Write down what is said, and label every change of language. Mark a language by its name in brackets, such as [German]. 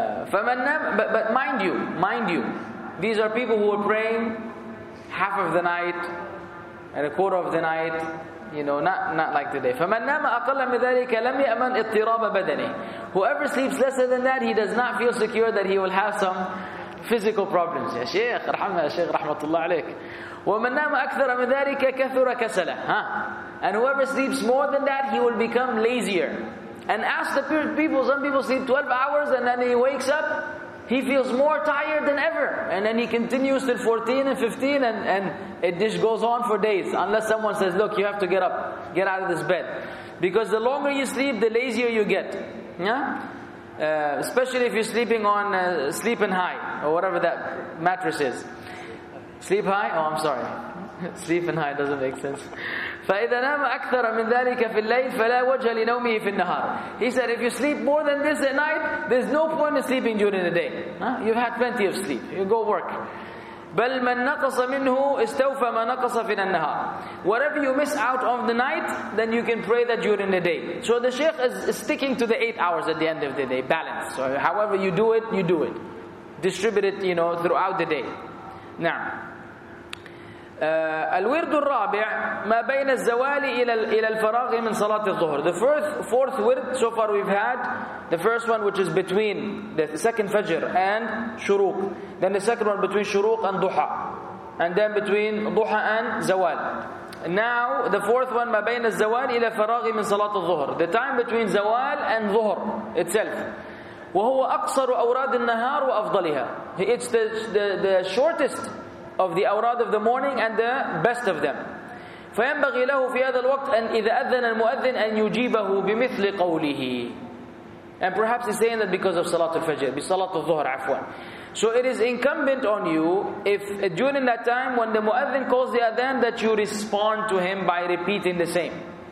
[English] But mind you, these are people who are praying half of the night and a quarter of the night, you know, not like today. [Arabic] فَمَنْ نَامَ أَقَلَّ مِنْ ذَلِكَ لَمْ يَأْمَنْ اِضْطِرَابَ بَدَنِي. [English] Whoever sleeps lesser than that, he does not feel secure that he will have some physical problems. [Arabic] يا شيخ رحمنا يا شيخ رحمة الله عليك. وَمَنْ نَامَ أَكْثَرَ مِنْ ذَلِكَ كَثُرَ كَسَلَهُ. [English] And whoever sleeps more than that, he will become lazier. And ask the people, some people sleep 12 hours and then he wakes up, he feels more tired than ever. And then he continues till 14 and 15 and it just goes on for days. Unless someone says, look, you have to get up, get out of this bed. Because the longer you sleep, the lazier you get. Yeah? Especially if you're sleeping on sleeping high or whatever that mattress is. Sleep high? Oh, I'm sorry. Sleeping high doesn't make sense. [Arabic] فَإِذَا نَامَ أَكْثَرَ مِنْ ذَلِكَ فِي اللَّيْلِ فَلَا وَجْهَ لِنَوْمِهِ فِي النَّهَارِ. [English] He said, if you sleep more than this at night, there's no point in sleeping during the day. Huh? You've had plenty of sleep. You go work. [Arabic] بَلْ مَنْ نَقَصَ مِنْهُ اسْتَوْفَ مَا نَقَصَ فِي النَّهَارِ. [English] Whatever you miss out of the night, then you can pray that during the day. So the Shaykh is sticking to the 8 hours at the end of the day. Balance. So however you do it, you do it. Distribute it, you know, throughout the day. [Arabic] Now, الورد الرابع ما بين الزوال إلى الفراغ من صلاة الظهر. [English] The fourth word so far we've had, the first one which is between the second Fajr and Shuruq, then the second one between Shuruq and Duha, and then between Duha and Zawal. Now the fourth one [Arabic] ما بين الزوال إلى الفراغ من صلاة الظهر, [English] the time between Zawal and Zuhr itself. [Arabic] وهو أقصر أوراد النهار وأفضلها. [English] It's the shortest of the awrad of the morning and the best of them. [Arabic] فَيَنْبَغِي لَهُ فِي هَذَا الْوَقْتِ أَنْ إِذَا أَذَّنَ الْمُؤَذِّنَ أَنْ يُجِيبَهُ بِمِثْلِ قَوْلِهِ. [English] And perhaps he's saying that because of Salat al-Fajr, bi Salat al-Zuhr, afwan. So it is incumbent on you, if during that time when the muaddin calls the adhan, that you respond to him by repeating the same.